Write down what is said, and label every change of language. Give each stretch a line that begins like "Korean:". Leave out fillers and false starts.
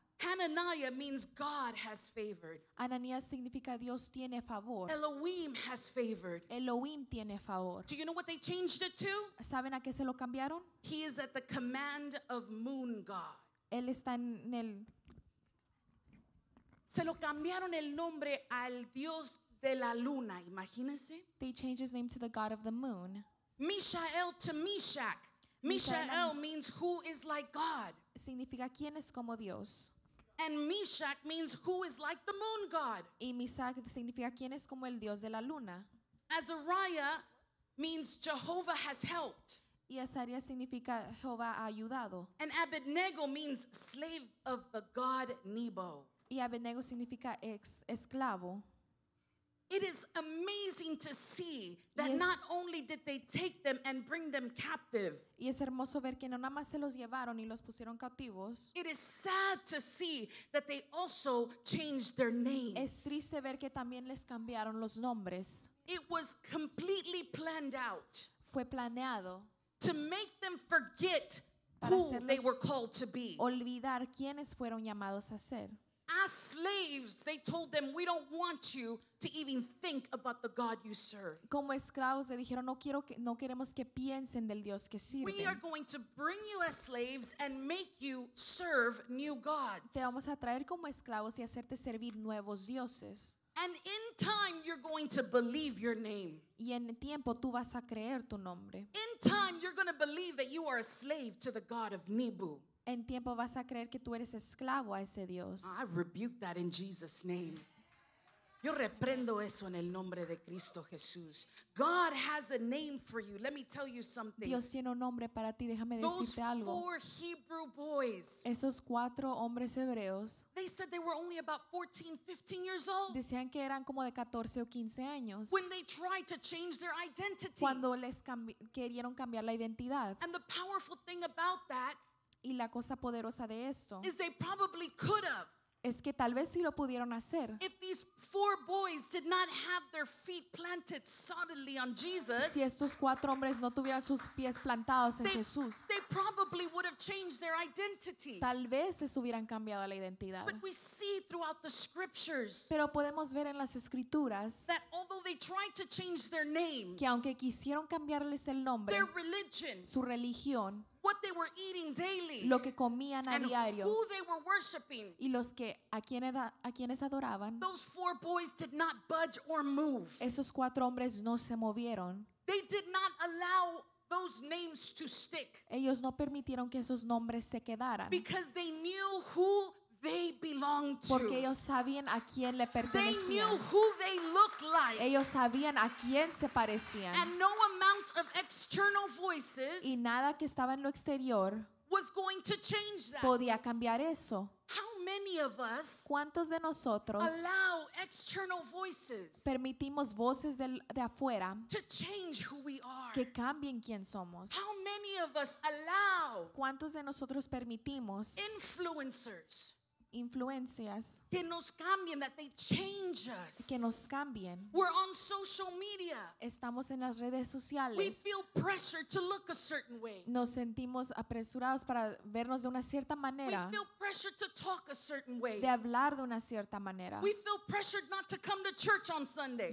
English: Hananiah means God has favored.
Spanish: Ananías significa Dios tiene favor.
English: Elohim has favored.
Spanish: Elohim tiene favor.
English: Do you know what they changed it to?
Spanish: ¿Saben a qué se lo cambiaron?
English: He is at the command of Moon God.
Spanish: Él está en el. Se lo cambiaron el nombre al Dios de la luna. Imagínense.
English: They changed his name to the God of the Moon. Mishael to Meshach. Mishael means who is like God.
Spanish: Significa quién es como Dios.
English: And Meshach means who is like the moon god.
Spanish: Y Meshach significa quién es como el dios de la luna.
English: Azariah means Jehovah has helped.
Spanish: Y Azariah significa Jehová ha ayudado.
English: And Abednego means slave of the god Nebo.
Spanish: Y Abednego significa esclavo.
English: It is amazing to see that not only did they take them and bring them captive.
Spanish: Y es hermoso ver que no nada más se los llevaron y los pusieron cautivos.
English: It is sad to see that they also changed their names.
Spanish: Es triste ver que también les cambiaron los nombres.
English: It was completely planned out.
Spanish: Fue planeado.
English: To make them forget who they were called to be.
Spanish: Olvidar quiénes fueron llamados a ser.
English: As slaves, they told them, "We don't want you to even think about the God you serve."
Spanish: Como esclavos le dijeron, no queremos que piensen del Dios que sirven.
English: We are going to bring you as slaves and make you serve new gods.
Spanish: Te vamos a traer como esclavos y hacerte servir nuevos dioses.
English: And in time, you're going to believe your name.
Spanish: Y en tiempo tú vas a creer tu nombre.
English: In time, you're going to believe that you are a slave to the God of Nebu.
Spanish: En tiempo vas a creer que tú eres esclavo a ese Dios.
English: I rebuke that in Jesus' name.
Spanish: Yo reprendo eso en el nombre de Cristo Jesús.
English: God has a name for you. Let me tell you something.
Spanish: Dios tiene un nombre para ti. Déjame decirte algo.
English: Those four Hebrew boys.
Spanish: Esos cuatro hombres hebreos.
English: They said they were only about 14, 15 years old.
Spanish: Decían que eran como de 14 o 15 años.
English: When they tried to change their identity.
Spanish: Cuando les querieron cambiar la identidad.
English: And the powerful thing about that.
Spanish: Y la cosa poderosa de esto
English: is they probably could have,
Spanish: es que tal vez sí lo pudieron hacer.
English: If these four boys did not have their feet planted solidly on Jesus,
Spanish: si estos cuatro hombres no tuvieran sus pies plantados en Jesús,
English: they probably would have changed their identity.
Spanish: Tal vez les hubieran cambiado la identidad.
English: But we see throughout the scriptures,
Spanish: pero podemos ver en las escrituras,
English: that although they tried to change their name,
Spanish: que aunque quisieron cambiarles el nombre,
English: their religion,
Spanish: su religión,
English: what they were eating daily,
Spanish: lo que comían a diario,
English: and who they were worshiping,
Spanish: y los que a quienes adoraban,
English: those four boys did not budge or move.
Spanish: Esos cuatro hombres no se movieron.
English: They did not allow those names to stick.
Spanish: Ellos no permitieron que esos nombres se quedaran.
English: Because they knew who they belong to.
Spanish: Porque ellos sabían a quién le pertenecían.
English: They knew who they looked like.
Spanish: Ellos sabían a quién se parecían.
English: And no amount of external voices,
Spanish: y nada que estaba en lo exterior,
English: was going to change that.
Spanish: Podía cambiar eso.
English: How many of us,
Spanish: ¿cuántos de nosotros,
English: allow external voices,
Spanish: permitimos voces de afuera,
English: to change who we are,
Spanish: que cambien quién somos?
English: How many of us allow,
Spanish: ¿cuántos de nosotros permitimos,
English: influencers,
Spanish: influencias que nos cambien,
English: that they change us.
Spanish: Que nos cambien.
English: We're on social media.
Spanish: Estamos en las redes sociales.
English: We feel pressure to look a certain way.
Spanish: Nos sentimos apresurados para vernos de una cierta manera.
English: We feel pressure to talk a certain way.
Spanish: De hablar de una cierta manera.
English: We feel pressured not to come to church on Sunday.